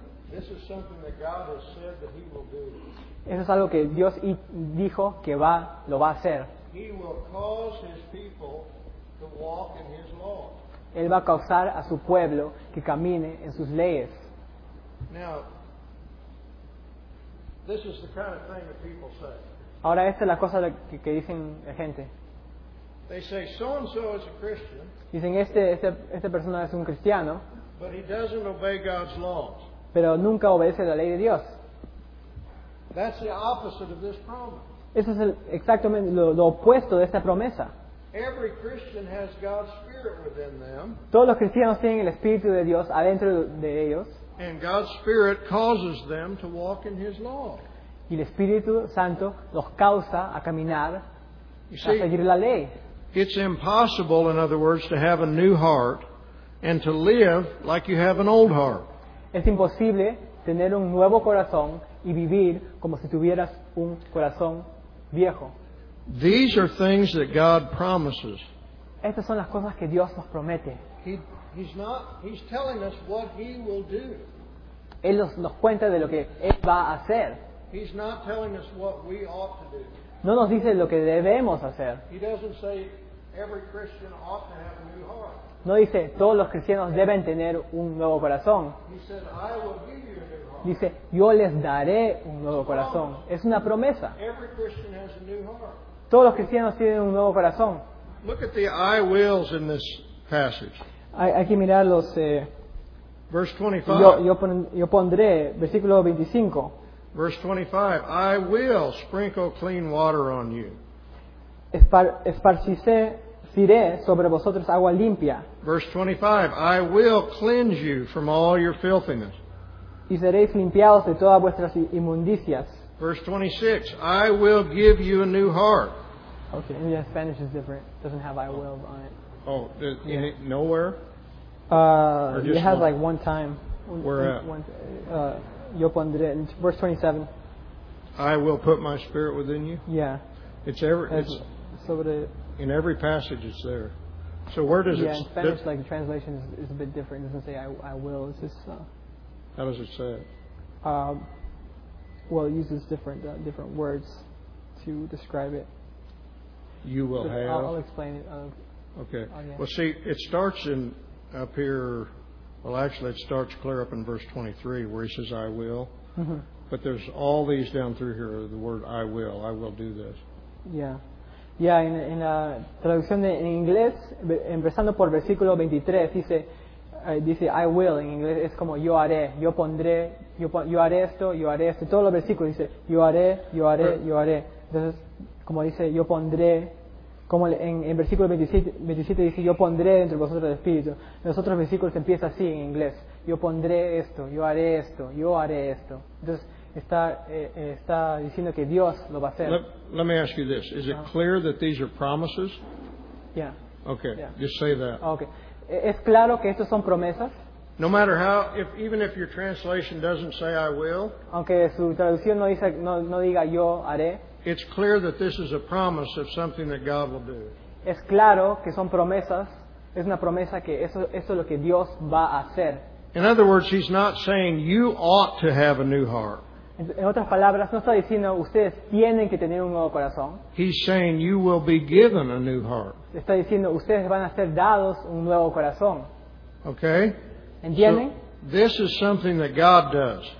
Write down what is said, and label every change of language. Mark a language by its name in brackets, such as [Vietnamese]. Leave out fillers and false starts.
[English] This is something that God has said that he will do. [Spanish] Eso es algo que Dios dijo que lo va a hacer. [English] He will cause his people to walk in his law. [Spanish] Él va a causar a su pueblo que camine en sus leyes. [English] Now, this is the kind of thing that people say. [Spanish] Ahora, esta es la cosa que dicen la gente. [English] They say so and so is a Christian. [Spanish] Dicen esta persona es un cristiano. [English] But he doesn't obey God's laws. [Spanish] Pero nunca obedece la ley de Dios. [English] That's the opposite of this promise. [Spanish] Eso es exactamente lo opuesto de esta promesa. [English] Every Christian has God's spirit within them. [Spanish] Todos los cristianos tienen el espíritu de Dios adentro de ellos. [English] And God's spirit causes them to walk in his law. [Spanish] Y el Espíritu Santo los causa a caminar a seguir la ley. [English] It's impossible, in other words, to have a new heart and to live like you have an old heart. [Spanish] Es imposible tener un nuevo corazón y vivir como si tuvieras un corazón viejo. [English] These are things that God promises. [Spanish] Estas son las cosas que Dios nos promete. [English] He's telling us what he will do. [Spanish] Él nos cuenta de lo que él va a hacer. [English] He's not telling us what we ought to do. [Spanish] No nos dice lo que debemos hacer. [English] He doesn't say every Christian ought to have a new heart. [Spanish] No dice todos los cristianos deben tener un nuevo corazón. [English] He said, I will give you a new heart. [Spanish] Dice, yo les daré un nuevo corazón. Es una promesa. [English] Every Christian has a new heart. [Spanish] Todos los cristianos tienen un nuevo corazón. [English] Look at the I wills in this passage. [Spanish] Hay que mirar los [English] verse 25. [Spanish] Yo pondré versículo 25. [English] Verse 25, I will sprinkle clean water on you. [Spanish] Esparciré sobre vosotros agua limpia. [English] Verse 25, I will cleanse you from all your filthiness. [Spanish] Y seréis limpiados de todas vuestras inmundicias. [English] Verse 26, I will give you a new heart. Okay, yeah, Spanish is different. It doesn't have I will on it. Oh, yeah. It nowhere? It has like one time. Where at? [Spanish] Yo pondré, [English] verse 27. I will put my spirit within you. Yeah. In every passage it's there. So where does In Spanish, like the translation is a bit different. It doesn't say I will. It's just. How does it say it? Well, it uses different words to describe it. You will have. I'll explain it. Okay. Well, see, it starts in up here. Well, actually, it starts clear up in verse 23 where he says, I will. Mm-hmm. But there's all these down through here, the word I will do this. Yeah. [Spanish] Yeah, en la traducción en inglés, empezando por versículo 23, dice, [English] I will, [Spanish] en inglés, es como yo haré, yo pondré yo haré esto, yo haré esto. Todos los versículos dice yo haré, yo haré, yo haré. Entonces, como dice, yo pondré, como en versículo 27 dice, yo pondré dentro de vosotros el Espíritu. En los otros versículos empieza así en inglés. Yo pondré esto, yo haré esto, yo haré esto. Entonces, está diciendo que Dios lo va a hacer. [English] Let me ask you this. Is it clear that these are promises? Yeah. Okay, yeah. Just say that. Okay. [Spanish] ¿Es claro que estos son promesas? [English] No matter how, even if your translation doesn't say I will, [Spanish] aunque su traducción no dice, no diga yo haré, [English] it's clear that this is a promise of something that God will do. [Spanish] Es claro que son promesas, es una promesa que eso es lo que Dios va a hacer. [English] In other words, he's not saying you ought to have a new heart. [Spanish] En otras palabras, no está diciendo ustedes tienen que tener un nuevo corazón. [English] He's saying you will be given a new heart. [Spanish] Está diciendo ustedes van a ser dados un nuevo corazón. [English] Okay? [Spanish] ¿Entienden? [English] So, this is something that God does.